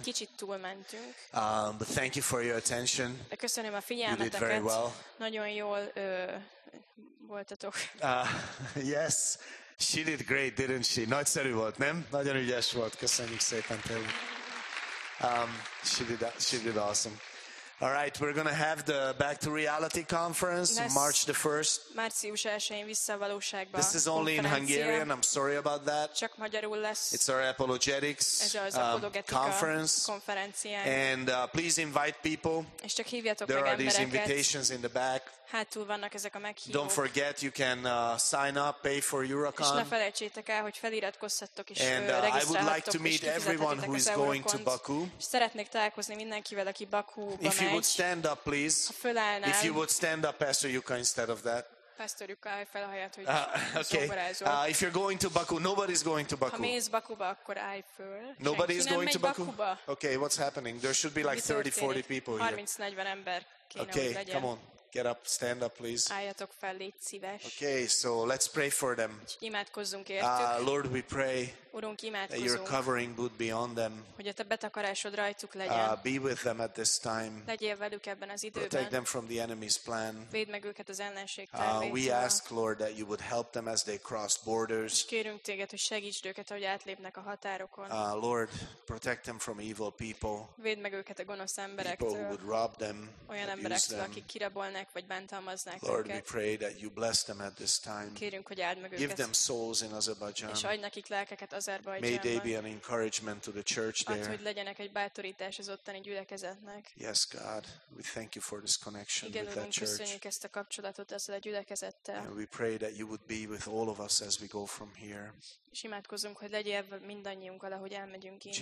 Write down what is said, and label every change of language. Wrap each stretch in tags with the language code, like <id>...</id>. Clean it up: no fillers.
<hu>Kicsit túlmentünk.</hu> <en>But thank you for your attention.</en> <hu>De köszönöm a figyelmeteket.</hu> <en>You did very well.</en> <hu>Nagyon jól voltatok.</hu> <en>Yes, she did great, didn't she?</en> <hu>Nagyszerű volt, nem? Nagyon ügyes volt. Köszönjük szépen tényleg.</hu> <en>She did awesome. All right, we're going to have the Back to Reality conference on March the 1st.</en> <hu>Március 1-én visszavalóságba.</hu> <en>This is only in Hungarian. I'm sorry about that.</en> <hu>Csak magyarul lesz.</hu> <en>It's our apologetics conference. And please invite people.</en> <hu>És csak hívjatok meg embereket.</hu> <en>There are these invitations in the back.</en> <hu>Hátul vannak ezek a meghívók.</hu> <en>Don't forget, you can sign up, pay for Eurocon.</en> <hu>És ne felejtsétek el, hogy feliratkozhattok és regisztrálhattok.</hu> <en>I would like to meet everyone who is going to Baku.</en> <hu>Szeretnék találkozni mindenkivel, aki Bakúba megy.</hu> <en>If you would stand up, please.</en> <hu>Ha fölállnál.</hu> <en>If you would stand up, Pastor Yuka, instead of that.</en> <hu>Pastor Yuka, felhajját, hogy okay. Szobrázol.</hu> <en>If you're going to Baku, nobody's going to Baku.</en> <hu>Ha mész Bakuba, akkor állj föl.</hu> <en>Nobody is going to Baku. Okay, what's happening? There should be like 30-40 people here.</en> <hu>30-40 ember kéne,</hu> <en>okay, come on. Get up, stand up, please.</en> <hu>Álljatok fel, légy szíves.</hu> <en>Okay, so let's pray for them.</en> <hu>Imádkozzunk értük.</hu> <en>Lord, we pray.</en> <hu>Urunk, imádkozunk.</hu> <en>That your covering would be on them.</en> <hu>Hogy a te betakarásod rajtuk legyen.</hu> <en>Be with them at this time.</en> <hu>Legyél velük ebben az időben.</hu> <en>Protect them from the enemy's plan.</en> <hu>Védd meg őket az ellenség tervétől.</hu> <en>We ask, Lord, that you would help them as they cross borders.</en> <hu>És kérünk téged, hogy segítsd őket, ahogy átlépnek a határokon.</hu> <en>Lord, protect them from evil people.</en> <hu>Védd meg őket a gonosz emberektől.</hu> <en>People who would rob them.</en> <hu>Olyan emberektől, akik kirabolnak vagy bántalmaznak őket.</hu> <en>Lord, we pray that you bless them at this time.</en> <hu>Kérünk, hogy áld meg őket.</hu> <en>Give them souls in Azerbaijan.</en> <hu>És adj nekik lelkeket.</hu> <en>May they be an encouragement to the church there.</en> <hu>Ad, hogy legyenek egy bátorítás az ottani gyülekezetnek.</hu> <en>Yes, God, we thank you for this connection</en> <hu>Igen,</hu> <en>with that</en> <hu>Urunk,</hu> <en>church.</en> <hu>Köszönjük ezt a kapcsolatot ezzel a gyülekezettel.</hu> <en>And we pray that you would be with all of us as we go from here.</en> <hu>És imádkozunk, hogy legyél mindannyiunkkal, ahogy elmegyünk innen.</hu>